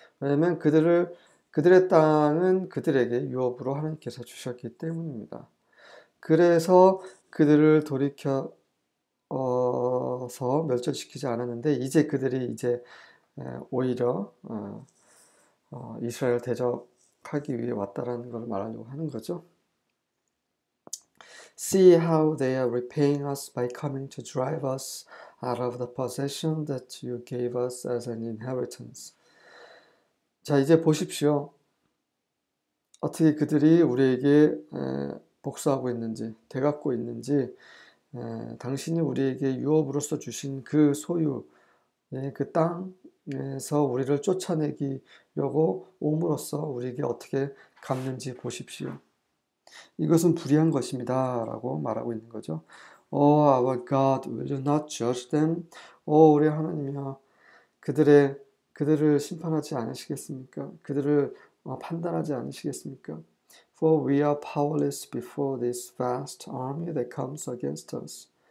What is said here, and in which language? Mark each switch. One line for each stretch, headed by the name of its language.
Korean: 왜냐하면 그들의 땅은 그들에게 유업으로 하나님께서 주셨기 때문입니다. 그래서 그들을 돌이켜 서 멸절시키지 않았는데 이제 그들이 이제 오히려 이스라엘 대적하기 위해 왔다라는 걸 말하려고 하는 거죠.
English: See how they are repaying us by coming to drive us out of the possession that you gave us as an inheritance.
Korean: 자, 이제 보십시오. 어떻게 그들이 우리에게 복수하고 있는지, 되갚고 있는지. 당신이 우리에게 유업으로서 주신 그 소유, 그 땅에서 우리를 쫓아내기려고 옴으로써 우리에게 어떻게 갚는지 보십시오. 이것은 불의한 것입니다. 라고 말하고 있는 거죠.
English: Oh, our God, will you not judge them?
Korean: 오, 우리 하나님이여. 그들을 심판하지 않으시겠습니까? 그들을 판단하지 않으시겠습니까?
English: For we are powerless before this vast army that comes against us.